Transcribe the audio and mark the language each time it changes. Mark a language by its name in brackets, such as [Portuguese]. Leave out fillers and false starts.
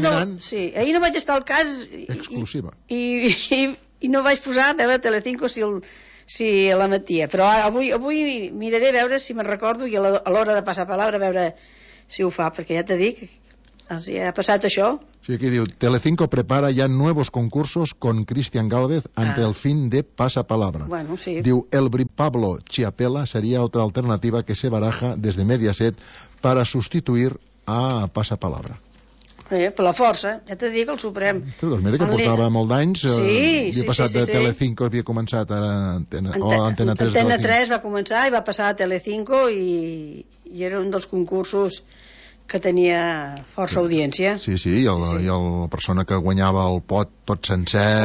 [Catalan] no, sí, ahir no vaig estar al cas... Exclusiva. I no vaig posar a veure Telecinco si l'emetia. Però avui miraré a veure si me'n recordo i a l'hora de passar a palabra a veure si ho fa, perquè ja t'ho dic, els ha passat això. Sí, aquí diu, [Spanish] Telecinco prepara ya nuevos concursos con Cristian Gálvez ante el fin de Passa Palabra. Bueno, sí. [Catalan] Diu, el [Spanish] Pablo Chiapella sería otra alternativa que se baraja desde Mediaset para sustituir a Passa Palabra. [Catalan] Per la força, ja t'he dit, el Suprem. Sí, doncs mira que portava molt d'anys. Sí, havia passat. Telecinco, havia començat ara Antena 3. Antena 3 va començar i va passar a Telecinco i era un dels concursos que tenia força audiència. Sí, sí, i la persona que guanyava el pot tot sencer...